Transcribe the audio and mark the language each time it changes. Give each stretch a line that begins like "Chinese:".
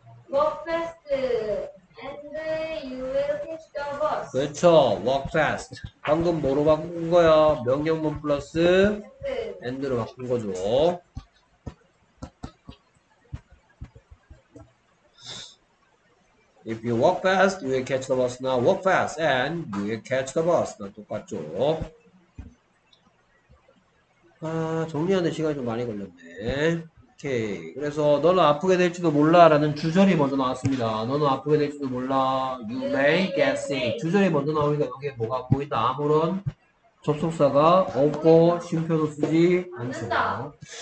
English: Walk fast and you will catch the bus.
Korean: 그렇죠.
English: Walk fast.
Korean: 방금 뭐로 바꾼 거야? 명령문 플러스 엔드로 바꾼 거죠. 네.
English: If you walk fast, you will catch the bus. Now walk fast and you will catch the bus.
Korean: 나 똑같죠. 아, 정리하는 시간이 좀 많이 걸렸네. 오케이. 그래서 너는 아프게 될지도 몰라라는 주절이 먼저 나왔습니다. 너는 아프게 될지도 몰라.
English: You may get sick.
Korean: 주절이 먼저 나오니까 여기에 뭐가 보인다? 아무런 접속사가 없고 쉼표도 쓰지 않죠.